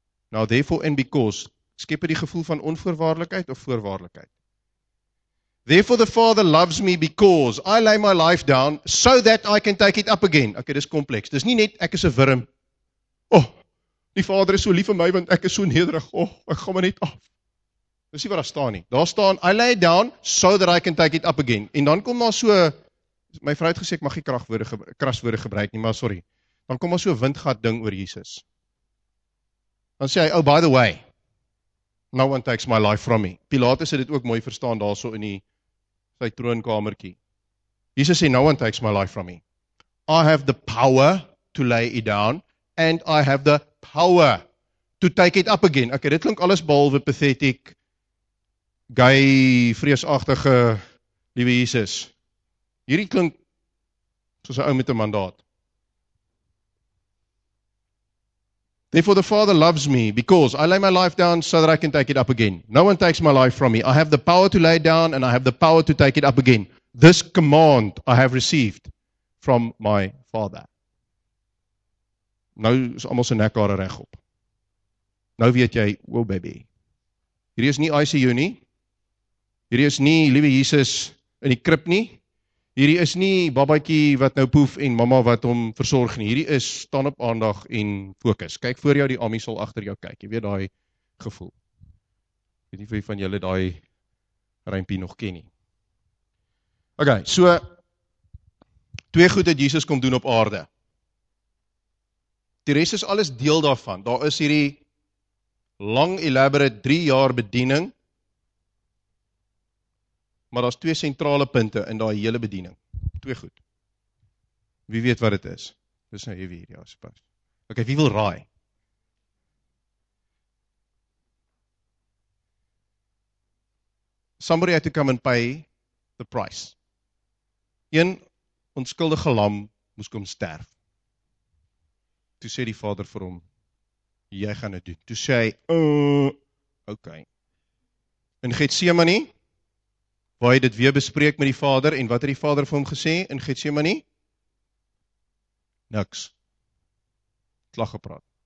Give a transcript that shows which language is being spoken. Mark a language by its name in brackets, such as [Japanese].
[English] Now therefore and because, [Afrikaans] skep het die gevoel van onvoorwaardelikheid of voorwaardelikheid? [English] Therefore the Father loves me because I lay my life down so that I can take it up again. [Afrikaans] Okay, dis kompleks. Dis nie net ek is 'n wurm. Oh, die Vader is so lief vir my want ek is so nederig. Oh, ek gaan maar net af. Dis nie wat daar staan nie. Daar staan [English] I lay down so that I can take it up again. [Afrikaans] En dan kom daar so my vrou het gesê ek mag nie kraswoorde gebruik nie, maar sorry. Dan kom daar so 'n windgat ding oor Jesus. Dan sê hy, [English] "Oh, by the way, no one takes my life from me." [Afrikaans] Pilatus het dit ook mooi verstaan daarso in die sy troonkamertjie. [English] Jesus sê, no one takes my life from me. I have the power to lay it down and I have the power to take it up again. [Afrikaans] Okay, dit klink alles behalwe pathetic, gay, vreesagtige, liewe Jesus. Hierdie klink soos 'n ou met 'n mandaat. [English] Therefore the Father loves me, because I lay my life down so that I can take it up again. No one takes my life from me. I have the power to lay it down and I have the power to take it up again. This command I have received from my Father. [Afrikaans] Nou is almal se nekhare regop. Nou weet jy, [English] oh baby. [Afrikaans] Hierdie is nie ICU nie. Hierdie is nie liewe Jesus in die krib nie. Hierdie is nie babatjie wat nou poef en mamma wat hom versorg nie. Hierdie is staan op aandag en fokus. Kyk voor jou, die ammie sal agter jou kyk. Jy weet daai gevoel. Ek weet nie of jy van julle daai rympie nog ken nie. Okay, so twee goed het Jesus kom doen op aarde. Die res is alles deel daarvan. Daar is hierdie lang elaborate 3 jaar bediening. Maar daar's twee sentrale punte in daai hele bediening. Twee goed. Wie weet wat dit is? Dis nou heavy hierdie aspas. Okay, wie wil raai? [English] Somebody had to come and pay the price. [Afrikaans] Een onskuldige lam moes kom sterf. Toe sê die Vader vir hom, jy gaan dit doen. Toe sê hy, okay. In Getsemane waar hy dit weer bespreek met die Vader, en wat het die Vader vir hom gesê in Getsemane? Niks. Klag gepraat.